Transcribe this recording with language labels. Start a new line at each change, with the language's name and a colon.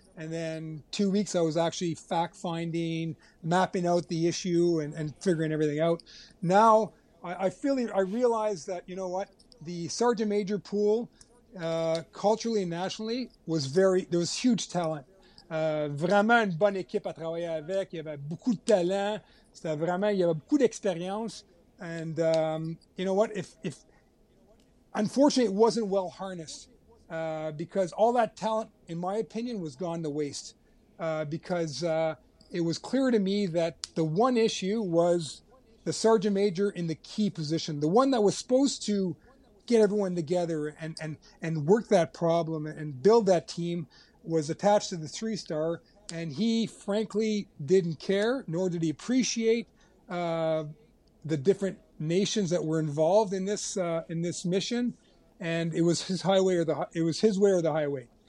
English: And then 2 weeks, I was actually fact-finding, mapping out the issue and figuring everything out. Now, I realize that, you know what, the sergeant major pool culturally and nationally was very, there was huge talent.
French: Vraiment une bonne équipe à travailler avec. Il y avait beaucoup de talent. C'était vraiment, il y avait beaucoup d'expérience.
English: And you know what? If unfortunately, it wasn't well harnessed because all that talent, in my opinion, was gone to waste. Because it was clear to me that the one issue was the sergeant major in the key position, the one that was supposed to get everyone together and work that problem and build that team, was attached to the three-star, and he frankly didn't care, nor did he appreciate the different nations that were involved in this mission, and it was his highway or the highway.